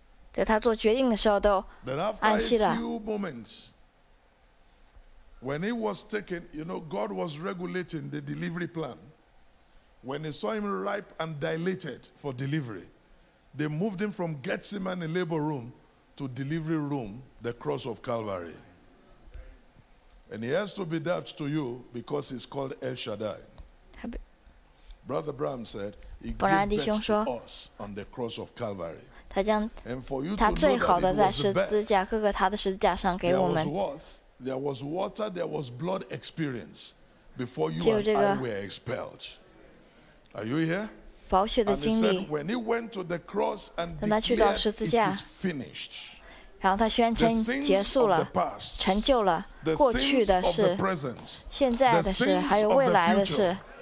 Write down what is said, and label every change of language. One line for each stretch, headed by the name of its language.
Chinese: 在他做决定的时候，都安息了。
English: Then after a few moments, when he was taken, you know, God was regulating the delivery plan. When he saw him ripe and dilated for delivery, they moved him from Gethsemane labor room to delivery room, the cross of Calvary. And he has to be that to you because he's called El Shaddai. Brother Bram said, he gave birth to us on the cross of Calvary. And for you to know that it was birth, there was water, there was blood experience before you and I were expelled. Are you here? And he said, when he went to the cross and declared, it is finished.
Chinese: 然后他宣称结束了，成就了过去的事，现在的事，还有未来的事。